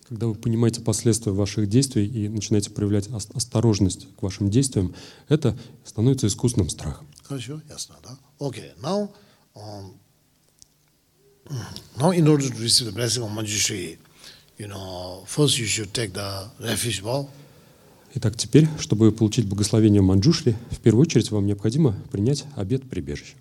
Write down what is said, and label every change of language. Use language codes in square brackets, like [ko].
[ru] Когда вы понимаете последствия ваших действий и начинаете проявлять осторожность к вашим действиям, это становится искусным страхом. Хорошо, ясно, да? [en] Okay, now, now in order to receive the blessing of Manjushri, you know, first you should take the refuge vow. [ru] Итак, теперь, чтобы получить благословение Манджушри, в первую очередь вам необходимо принять обет прибежища.